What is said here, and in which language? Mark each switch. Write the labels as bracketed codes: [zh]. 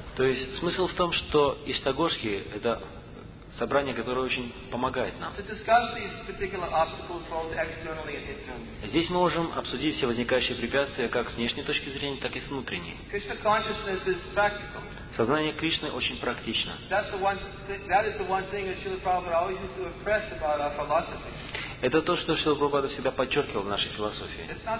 [ru] То есть смысл в том, что истагосхи это собрание, которое очень помогает нам. [en] To discuss these particular obstacles both externally and internally. [ru] Здесь мы можем обсудить все возникающие препятствия как с внешней точки зрения, так и с внутренней. [en] Krishna consciousness is practical. [ru] Сознание Кришны очень практично. [en] That is the one thing that Srila Prabhupada always used to impress about our philosophy. [ru] Это то, что Шрила Прабхупада всегда подчеркивал в нашей философии.